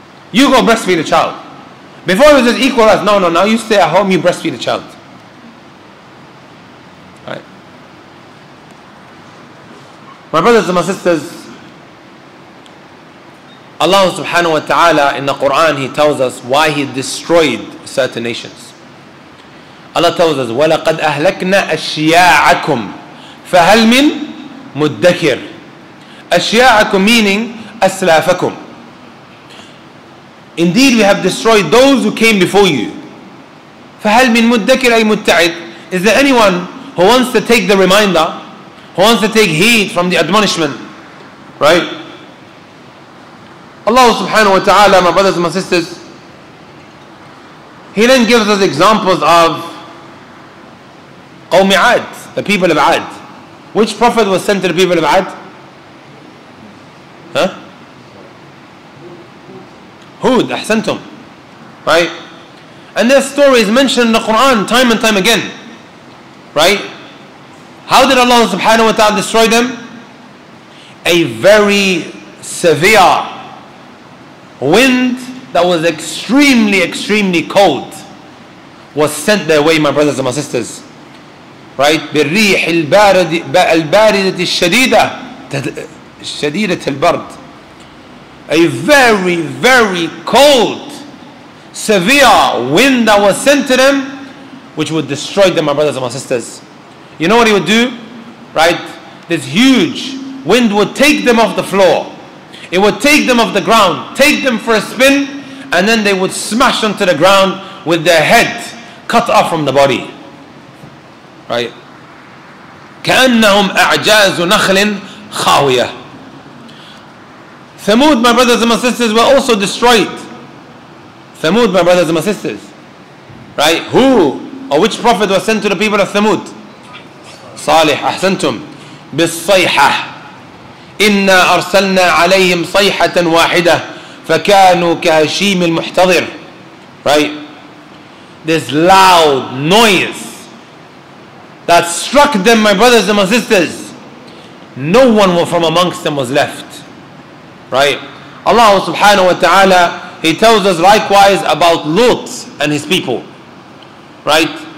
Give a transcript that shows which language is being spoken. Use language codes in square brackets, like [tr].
[en] You go breastfeed the child. Before it was just equal rights, no, now you stay at home, you breastfeed the child. Right? My brothers and my sisters, Allah subhanahu wa ta'ala in the Quran, He tells us why He destroyed certain nations. Allah tells us, [ar] وَلَقَدْ أَهْلَكْنَا أَشْيَاعَكُمْ فَهَلْ مِنْ مُدَّكِرْ. أَشْيَاعَكُمْ meaning أَسْلَافَكُمْ. [en] Indeed, we have destroyed those who came before you. [ar] فَهَلْ مِنْ مُدَّكِرْ أَيْ مُتَّعِدْ. [en] Is there anyone who wants to take the reminder, who wants to take heed from the admonishment? Right? Allah subhanahu wa ta'ala, my brothers and my sisters, He then gives us examples of Qawmi Ad, the people of Ad. Which prophet was sent to the people of Ad? Huh? Hud, ahsantum. Right? And their story is mentioned in the Quran time and time again. Right? How did Allah subhanahu wa ta'ala destroy them? A very severe wind that was extremely, extremely cold was sent their way, my brothers and my sisters. Right? [ar] بالريح الباردة الشديدة شديدة البرد. [en] A very, very cold, severe wind that was sent to them, which would destroy them, my brothers and my sisters. You know what he would do? Right? This huge wind would take them off the floor. It would take them off the ground, take them for a spin, and then they would smash onto the ground with their head cut off from the body. Right? [ar] كأنهم أعجاز نخل خاوية. [en] Thamud, my brothers and my sisters, were also destroyed. Thamud, my brothers and my sisters. Right? Who or which prophet was sent to the people of Thamud? [ar] Salih, ahsantum. بالصيحة. إنا أرسلنا عليهم صيحة واحدة فكانوا كهشيم المحتضر. [en] Right? This loud noise that struck them, my brothers and my sisters, no one from amongst them was left. right? Allah subhanahu wa ta'ala, He tells us likewise about Lut and his people, right?